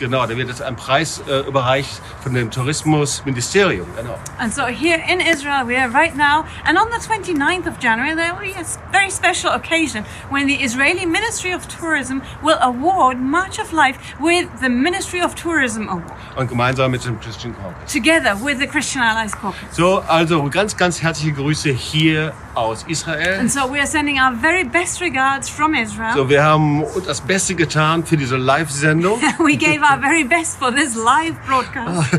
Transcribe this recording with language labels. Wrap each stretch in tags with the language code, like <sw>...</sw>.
<de>Genau, da wird jetzt ein Preis überreicht von dem Tourismusministerium.</de> <en>And so here in Israel we are right now, and on the 29th of January there will be a very special occasion when the Israeli Ministry of Tourism will award March of Life with the Ministry of Tourism Award.</en> <de>Und gemeinsam mit dem Christian Caucus.</de> <en>Together with the Christian Allies Caucus.</en> <de>So, also ganz, ganz herzliche Grüße hier aus Israel.</de> <en>And so we are sending our very best regards from Israel.</en> <de>So, wir haben das Beste getan für diese Live-Sendung.</de> <en>We gave our very best for this live broadcast.</en>